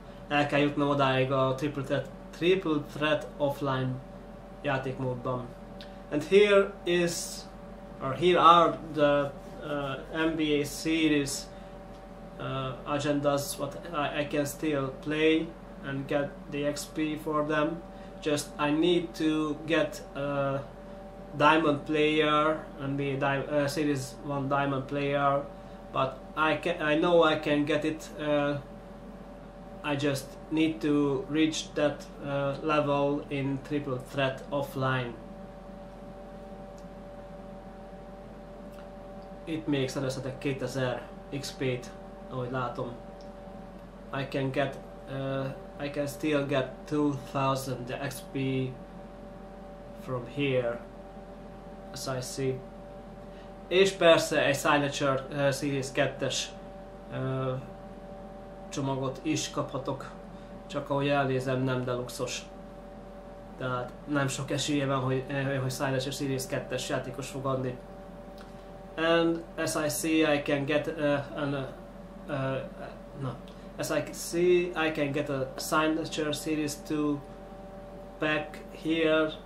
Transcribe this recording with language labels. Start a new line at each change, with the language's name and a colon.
Hungarian: el kell jutnom odáig a triple threat offline játékmódban.
English: And here is, or here are the NBA series agendas, what I can still play and get the XP for them. Just I need to get a diamond player and be a series one diamond player, but I know I can get it. I just need to reach that level in triple threat offline.
Hungarian: Itt még szerezhetek 2000 XP-t, ahogy látom.
English: I can get I can still get 2000 the XP from here, as I see.
Hungarian: És persze egy Signature Series 2-es csomagot is kaphatok, csak ahogy elnézem, nem deluxos. Tehát nem sok esélye van, hogy Signature Series 2-es játékos fog adni.
English: And as I see, I can get a Signature Series 2 pack here.